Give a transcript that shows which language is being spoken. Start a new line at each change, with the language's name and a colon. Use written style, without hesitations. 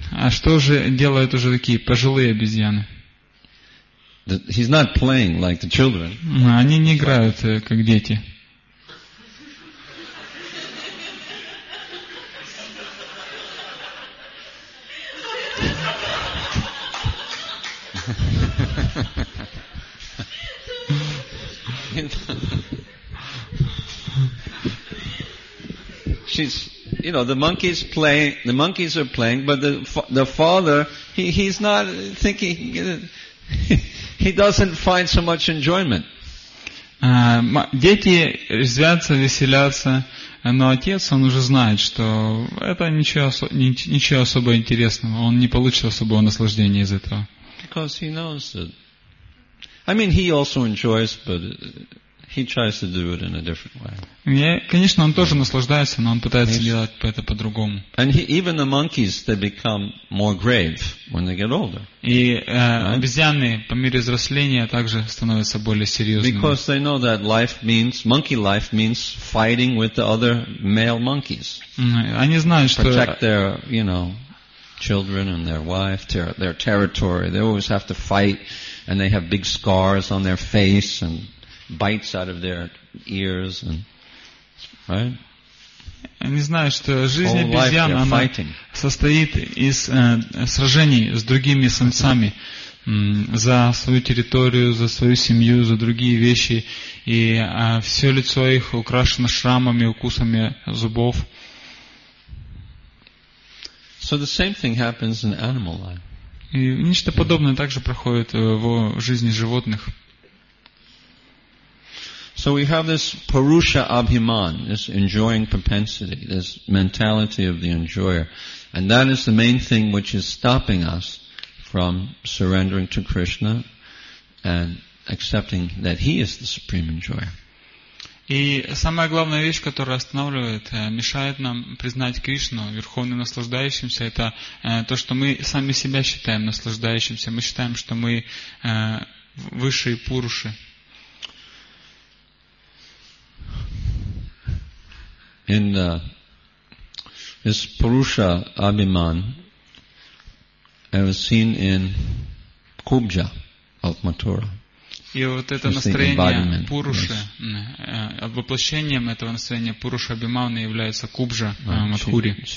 Russian: А что же делают уже такие пожилые обезьяны?
English: He's not playing like the children.
Russian: Они не играют как дети.
English: She's, you know, the monkeys play. The monkeys are playing, but the father, he's not thinking. He doesn't find so much enjoyment.
Russian: Дети резвятся, веселятся, но отец, он уже знает, что это ничего особо интересного. Он не получит особого наслаждения из этого.
English: Because he knows that. I mean, he also enjoys, but he tries to do it in a different way.
Russian: Конечно, он тоже наслаждается, но он пытается делать это по-другому.
English: And even the monkeys, they become more grave when they get older.
Russian: И обезьяны по мере взросления также становятся более серьезными.
English: Because they know that life means monkey life means fighting with the other male monkeys.
Russian: Они знают, что
English: protect their, you know, children and their wife, their territory. They always have to fight, and they have big scars on their face and bites out of their ears and right.
Russian: Они знают, что жизнь обезьян она состоит из сражений с другими самцами за свою территорию, за свою семью, за другие вещи, и все лицо их украшено шрамами, укусами зубов.
English: So the same thing happens in animal life.
Russian: И нечто подобное также проходит в жизни животных.
English: So we have this Purusha Abhiman, this enjoying propensity, this mentality of the enjoyer. And that is the main thing which is stopping us from surrendering to Krishna and accepting that He is the supreme enjoyer.
Russian: И самая главная вещь, которая останавливает, мешает нам признать Кришну верховным наслаждающимся, это то, что мы сами себя считаем наслаждающимся. Мы считаем, что мы высшие пуруши.
English: In this Purusha Abhiman, I was seen in Kubja of Mathura.
Russian: И вот это настроение Пуруши, воплощением этого настроения Пуруши Абимавны является Кубжа Мадхури.